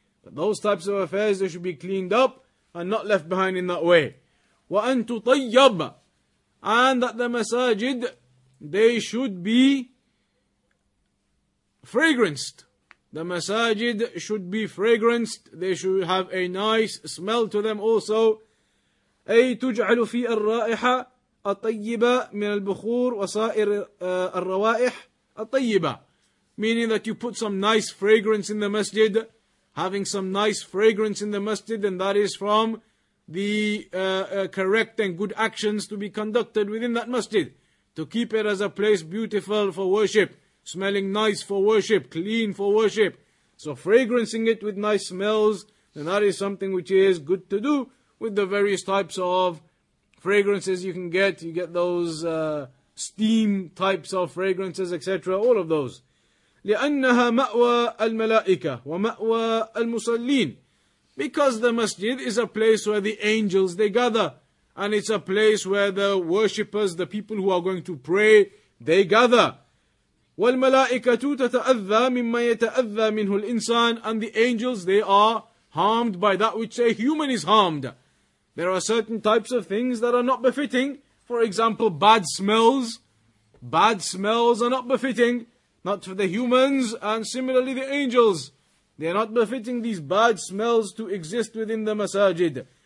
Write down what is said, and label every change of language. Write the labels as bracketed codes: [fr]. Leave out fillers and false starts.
[en] But those types of affairs, they should be cleaned up and not left behind in that way. [ar] وَأَن تُطَيَّبَ. [en] And that the masajid, they should be fragranced. The masajid should be fragranced. They should have a nice smell to them also. [ar] أي تجعل في الرائحة الطيبة من البخور وسائر الروائح الطيبة. [en] Meaning that you put some nice fragrance in the masjid. Having some nice fragrance in the masjid, and that is from the correct and good actions to be conducted within that masjid. To keep it as a place beautiful for worship. Smelling nice for worship, clean for worship. So fragrancing it with nice smells, then that is something which is good to do with the various types of fragrances you can get. You get those steam types of fragrances, etc. All of those. [ar] لأنها مأوى الملائكة ومأوى المصلين. [en] Because the masjid is a place where the angels, they gather. And it's a place where the worshippers, the people who are going to pray, they gather. [ar] والملائكة تتأذى مما يتأذى منه الإنسان. [en] And the angels, they are harmed by that which a human is harmed. There are certain types of things that are not befitting. For example, bad smells. Bad smells are not befitting. Not for the humans, and similarly the angels. They are not befitting these bad smells to exist within the masajid.